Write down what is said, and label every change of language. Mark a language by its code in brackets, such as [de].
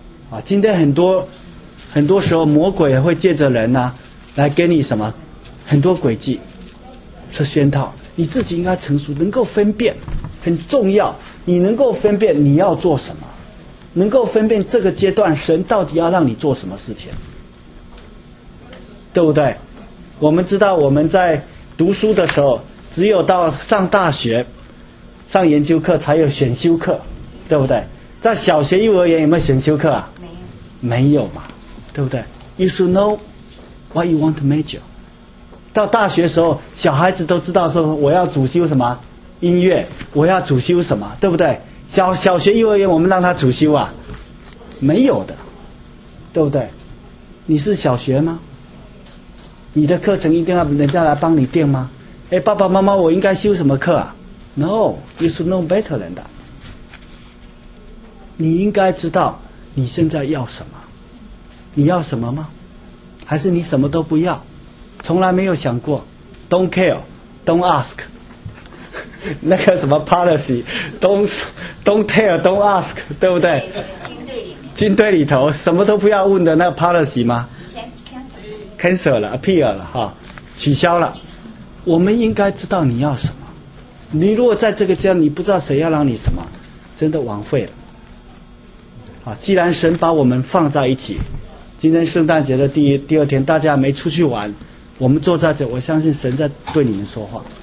[zh] 啊，今天很多很多时候魔鬼会借着人呢、啊、来给你什么很多诡计是宣套，你自己应该成熟，能够分辨很重要，你能够分辨你要做什么，能够分辨这个阶段神到底要让你做什么事情，对不对？我们知道我们在读书的时候只有到上大学上研究课才有选修课，对不对？在小学幼儿园有没有选修课啊？没有嘛，对不对？ [en] You should know what you want to major。 [zh] 到大学时候小孩子都知道说我要主修什么音乐，我要主修什么，对不对？小学幼儿园我们让他主修啊？没有的，对不对？你是小学吗？你的课程一定要人家来帮你定吗？哎，爸爸妈妈我应该修什么课啊？ [en] No, you should know better than that。 [zh] 你应该知道你现在要什么？你要什么吗？还是你什么都不要，从来没有想过 ？ [en] Don't care, don't ask。 [zh] 那个什么 [en] policy, don't care, don't ask, [zh] 对不对？军队里头什么都不要问的那个 policy 吗 ？Cancel 了 ，appeal 了，哈，取消了。我们应该知道你要什么。你如果在这个家，你不知道谁要让你什么，真的枉费了。啊，既然神把我们放在一起，今天圣诞节的第二天，大家没出去玩，我们坐在这，我相信神在对你们说话。